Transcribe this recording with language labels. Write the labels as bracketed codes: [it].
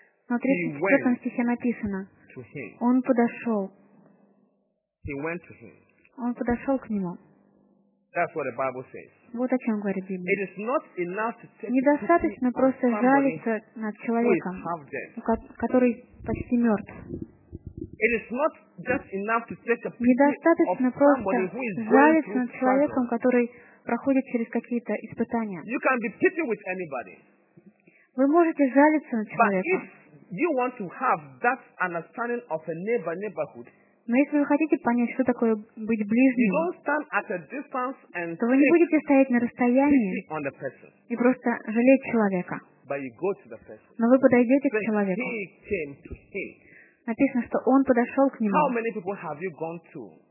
[ru] Но в 34 стихе написано. [en] To him. [ru] Он подошел. [en] He went to him. [ru] Он подошел к нему. [en] That's what the Bible says. [ru] Вот о чем говорит Библия. [en] It is not enough to take [ru] недостаточно [en] pity [ru] просто [en] somebody [ru] жалиться над человеком, [en] who is half dead. [ru] Который почти мертв. [en] It is not just enough to take a pity [ru] недостаточно [en] of [ru] просто [en] somebody who is [ru] жалиться над человеком, который проходит через какие-то испытания. [en] You can be pity with anybody. [ru] Вы можете жалиться над человеком. [en] But if you want to have that understanding of a neighbor neighborhood, [ru] но если вы хотите понять, что такое быть ближним, [en] you don't stand at a distance and [ru] то вы не будете стоять на расстоянии и просто жалеть человека. [en] But you go to the person. [ru] Но вы подойдете к человеку. [en] He came to him. [ru] Написано, что он подошел к нему. [en] How many people have you gone to?